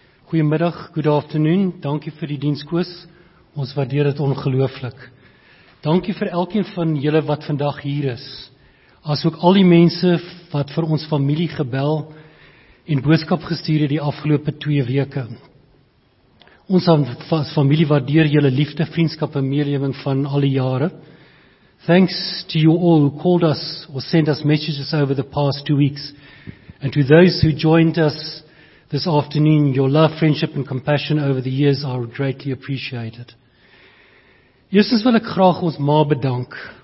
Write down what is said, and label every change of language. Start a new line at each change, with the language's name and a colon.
Afrikaans: Goeiemiddag,
English: good afternoon,
Afrikaans: dankie vir die dienskoos, ons waardeer dit ongelooflik. Dankie vir elkeen van julle wat vandag hier is, as ook al die mense wat vir ons familie gebel en boodskap gestuur het die afgelope 2 weke. Ons familie waardeer julle liefde, vriendskap en meeleving van al die jare.
English: Thanks to you all who called us or sent us messages over the past 2 weeks, and to those who joined us this afternoon, your love, friendship and compassion over the years are greatly appreciated.
Afrikaans: Eerstens wil ek graag ons ma bedank.